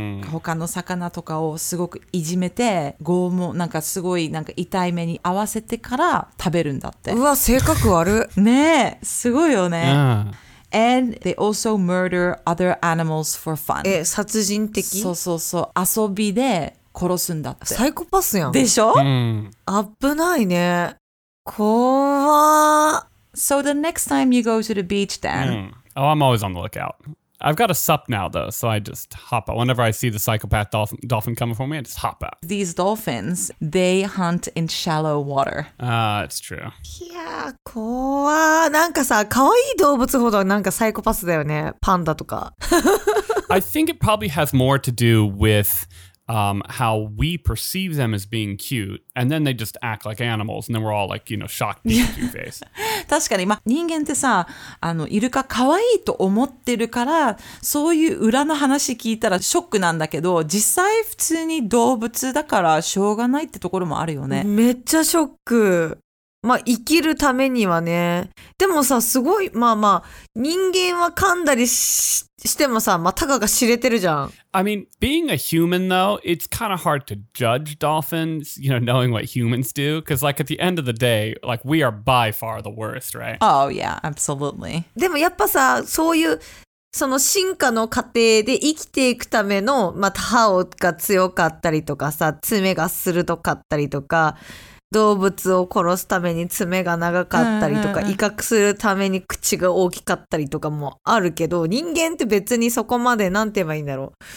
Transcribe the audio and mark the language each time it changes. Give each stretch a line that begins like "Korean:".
Japanese: 他の魚とかをすごくいじめて、拷問、なんかすごいなんか痛い目に合わせてから食べるんだって。うわ、性格悪い。ねえ、すごいよね。
English: Yeah. And they also murder other animals for fun.
Japanese: 殺人的？そうそうそう、遊びで殺すんだって。サイコパスやん。でしょ？危ないね。怖っ。
English: So the next time you go to the beach, then... Oh, I'm always on the lookout. I've got a sup now, though, so I just hop out. Whenever I see the psychopath dolphin coming for me, I just hop out. These dolphins, they hunt in shallow water. Ah, it's true.
Japanese: Yeah, 怖い。なんかさ、可愛い動物ほどなんかサイコパスだよね。パンダとか。
English: I think it probably has more to do with... how we perceive them as being cute, and then they just act like animals, and then we're all like, you know, shocked to see face.
Japanese: 確かに、まあ、人間ってさ、イルカ可愛いと思ってるから、そういう裏の話聞いたらショックなんだけど、実際普通に動物だからしょうがないってところもあるよね。めっちゃショック。まあ、生きるためにはね。でもさ、すごい、まあまあ、人間は噛んだりしてもさ、まあ、たかが知れてるじゃん。
English: I mean, being a human though, it's kind of hard to judge dolphins, you know, knowing what humans do. Because like, at the end of the day, like, we are by far the worst, right? Oh yeah, absolutely.
Japanese: でもやっぱさ、そういう、その進化の過程で生きていくための、まあ、歯が強かったりとかさ、爪が鋭かったりとか、動物を殺すために爪が長かったりとか、威嚇するために口が大きかったりとかもあるけど、人間って別にそこまでなんて言えばいいんだろう。